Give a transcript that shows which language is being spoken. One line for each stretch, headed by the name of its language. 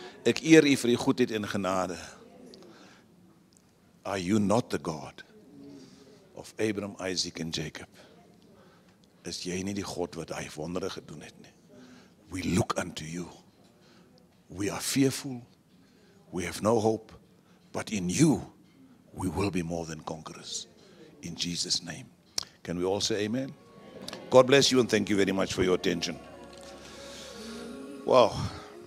Afrikaans: Ek eer u vir u goedheid en genade.
English: Are you not the God of Abraham, Isaac and Jacob?
Afrikaans: Is jy nie die God wat hy wondere gedoen het nie?
English: We look unto you. We are fearful. We have no hope. But in you, we will be more than conquerors. in Jesus' name. Can we all say amen? God bless you and thank you very much for your attention. Wow.